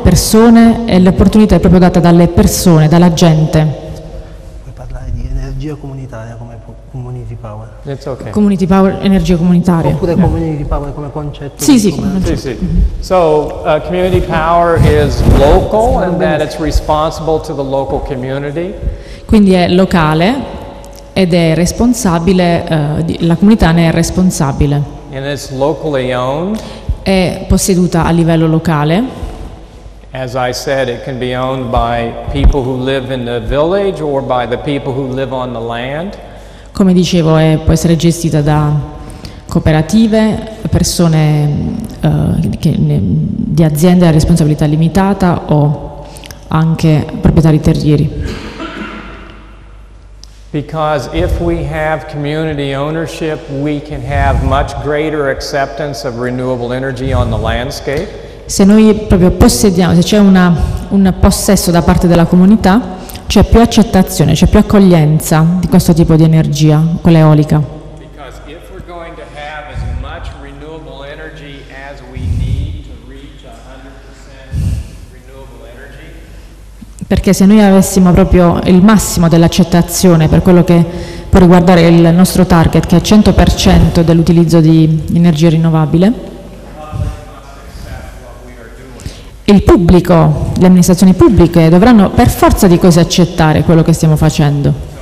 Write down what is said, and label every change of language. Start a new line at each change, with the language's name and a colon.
Italian: Persone, e l'opportunità è proprio data dalle persone, dalla gente. Puoi parlare di energia comunitaria come community power.
English: It's okay.
Italian: Community power, energia comunitaria. Oppure community power come concetto. Sì, sì.
English: So, community power is local and that it's responsible to the local community.
Italian: Quindi è locale. Ed è responsabile, la comunità ne è responsabile.
English: And it's locally owned.
Italian: È posseduta a livello locale.
English: As I said, it can be owned by people who live in the village or by the people who live on the land.
Italian: Come dicevo, può essere gestita da cooperative, persone di aziende a responsabilità limitata o anche proprietari terrieri.
English: Because if we have community ownership, we can have much greater acceptance of renewable energy on the landscape.
Italian: Se noi proprio possediamo, se c'è un possesso da parte della comunità, c'è più accettazione, c'è più accoglienza di questo tipo di energia, quella eolica.
English: Because if we're going to have as much renewable energy as we need to reach 100% renewable energy.
Italian: Perché se noi avessimo proprio il massimo dell'accettazione per quello che può riguardare il nostro target, che è 100% dell'utilizzo di energia rinnovabile, il pubblico, le amministrazioni pubbliche dovranno per forza di cose accettare quello che stiamo facendo.